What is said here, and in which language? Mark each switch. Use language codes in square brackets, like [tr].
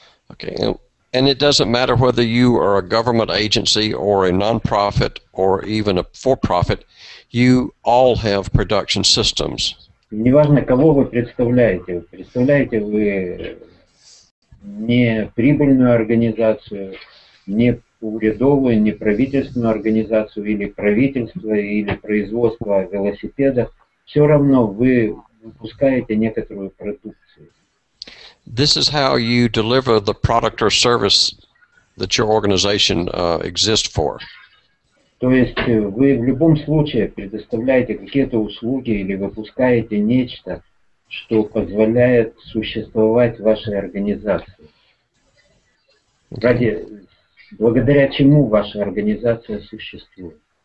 [en] Okay. And it doesn't matter whether you are a government agency or a non-profit or even a for-profit, you all have production systems. [ru] Неважно, кого вы представляете. Представляете вы не прибыльную организацию, не урядовую, не правительственную организацию или правительство, или производство велосипедов. Все равно вы выпускаете некоторую продукцию. [en] This is how you deliver the product or service that your organization exists for. [ru] То есть вы в любом случае предоставляете какие-то услуги или выпускаете нечто, что позволяет существовать вашей организации. Ради, благодаря чему ваша организация существует?